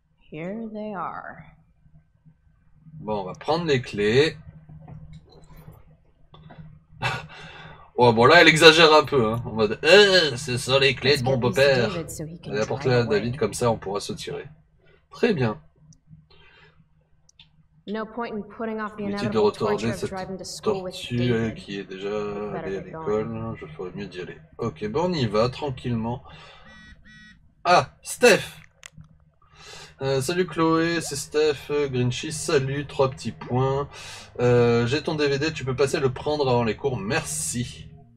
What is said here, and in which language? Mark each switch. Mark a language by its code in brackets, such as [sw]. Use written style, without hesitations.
[en] Here they are. [fr] Bon, on va prendre les clés. Ouais, bon, là, elle exagère un peu. Hein. En mode, c'est ça les clés de mon beau-père. Elle apporte-la à David, comme ça, on pourra se tirer. Très bien. [en] No point in putting off the inevitable torture of driving to school with David. [fr] Qui est déjà allé à l'école, je ferais mieux d'y aller. Ok, bon, on y va, tranquillement. Ah, Steph! Salut Chloé, c'est Steph, Grinchy, salut, trois petits points. J'ai ton DVD, tu peux passer le prendre avant les cours, merci.